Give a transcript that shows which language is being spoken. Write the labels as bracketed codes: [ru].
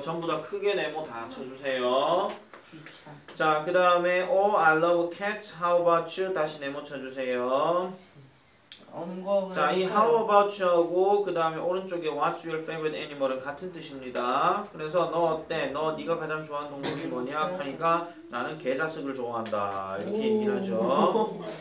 [ko] 전부 다 크게 네모 다 쳐주세요. 자, 그 다음에 [en] Oh, I love cats. How about you? 다시 네모 쳐주세요. [ko] 자, 이 how about you하고 그 다음에 오른쪽에 [en] what's your favorite animal [ko] 은 같은 뜻입니다. 그래서 너 어때? 너 네가 가장 좋아하는 동물이 뭐냐? 하니까 나는 개자식을 좋아한다 이렇게 얘기를 하죠.